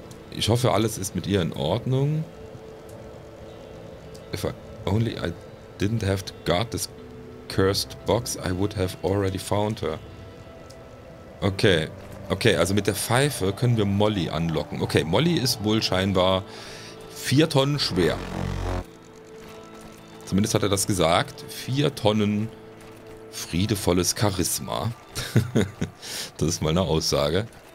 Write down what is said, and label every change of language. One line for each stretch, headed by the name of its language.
German: Ich hoffe, alles ist mit ihr in Ordnung.
English: If I didn't have to guard this cursed box, I would have already found her. Okay.
German: Okay, also mit der Pfeife können wir Molly anlocken. Okay, Molly ist wohl scheinbar 4 Tonnen schwer. Zumindest hat er das gesagt. 4 Tonnen friedevolles Charisma. Das ist mal eine Aussage.